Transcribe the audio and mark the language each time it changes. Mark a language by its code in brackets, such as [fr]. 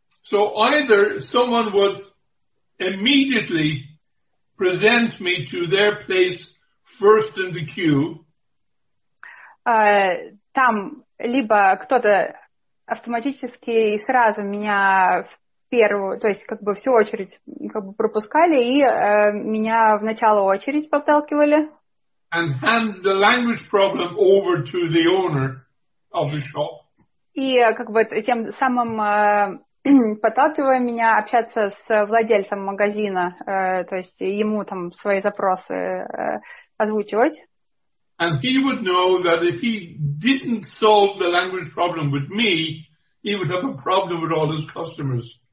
[en] So either someone would immediately present me to their place first in the queue. [ru] Там либо кто-то автоматически сразу меня в первую, то есть как бы всю очередь как бы пропускали и меня в начало очередь подталкивали. [en] And hand the language problem over to the owner of the shop. [ru] И как бы тем самым подталкивая меня общаться с владельцем магазина, то есть ему там свои запросы озвучивать. [en] And he would know that if he didn't solve the language problem with me, he would have a problem with all his customers.